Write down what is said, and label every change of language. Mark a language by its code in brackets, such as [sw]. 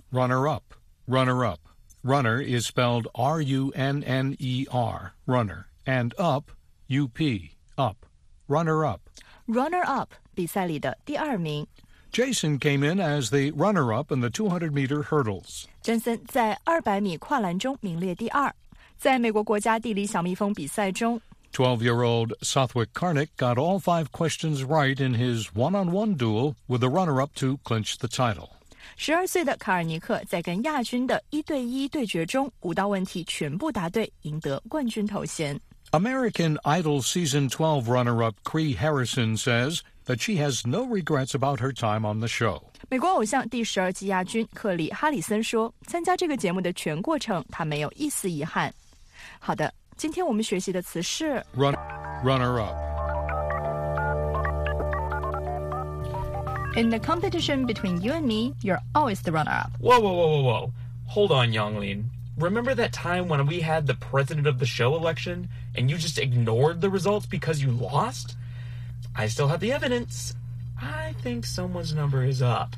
[en] Runner-up, runner-up. Runner is spelled R-U-N-N-E-R, runner, and up, U-P, up, runner-up. [zh] Runner-up, 比赛里的第二名。 [en] Jason came in as the runner-up in the 200-meter hurdles. [zh] Jason 在200米跨栏中名列第二。在美国国家地理小蜜蜂比赛中 [en] 12-year-old Southwick Karnick got all five questions right in his one-on-one duel with the runner-up to clinch the title. [zh] 十二岁的卡尔尼克在跟亚军的一对一对决中，五道问题全部答对，赢得冠军头衔。 [en] American Idol Season 12 runner-up Cree Harrison says that she has no regrets about her time on the show. [zh] 美国偶像第十二季亚军克里·哈里森说，参加这个节目的全过程，他没有一丝遗憾。好的，今天我们学习的词是 [en] runner-up. In the competition between you and me, you're always the runner-up. Whoa, whoa, whoa, whoa, whoa. Hold on, Yonglin. Remember that time when we had the president of the show election and you just ignored the results because you lost? I still have the evidence. I think someone's number is up.